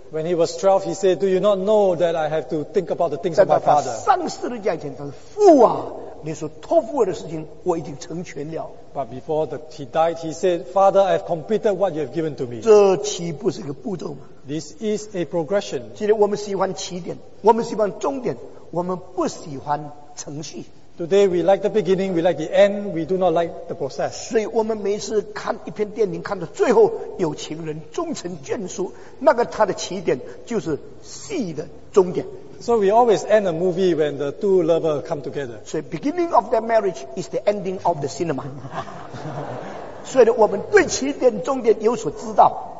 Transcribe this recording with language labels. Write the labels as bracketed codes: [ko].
[en] When he was 12, he said, Do you not know that I have to think about the things of my father? [zh] 在他上十字架前，他说，父啊，你所托付我的事情，我已经成全了。 [en] But before he died, he said, Father, I have completed what you have given to me. [zh] 这岂不是一个步骤吗？ [en] This is a progression. [zh] 今天我们喜欢起点，我们喜欢终点，我们不喜欢程序。 [en] Today we like the beginning, we like the end, we do not like the process. [zh] 所以我们每次看一篇电影，看到最后有情人终成眷属，那个它的起点就是戏的终点。 [en] So we always end a movie when the two lovers come together. 所以 beginning of their marriage is the ending of the cinema. [zh] 所以我们对起点终点有所知道。